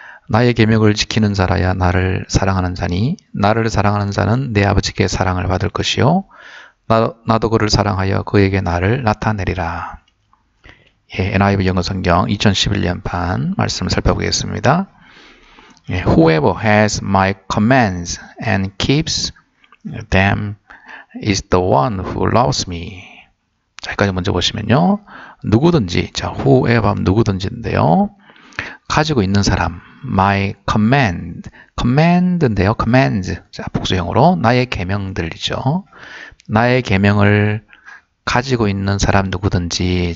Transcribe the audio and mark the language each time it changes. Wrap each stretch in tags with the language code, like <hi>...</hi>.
<ko>나의 계명을 지키는 자라야 나를 사랑하는 자니 나를 사랑하는 자는 내 아버지께 사랑을 받을 것이요 나도 그를 사랑하여 그에게 나를 나타내리라. 예, NIV 영어 성경 2011년 판 말씀을 살펴보겠습니다.</ko> <en>예, Whoever has my commands and keeps them is the one who loves me.</en> <ko>자, 여기까지 먼저 보시면요. 누구든지, 자, whoever, 누구든지인데요. 가지고 있는 사람,</ko> <en>my command.</en> <ko>command인데요. command. 자, 복수형으로 나의 계명들이죠. 나의 계명을 가지고 있는 사람 누구든지.</ko>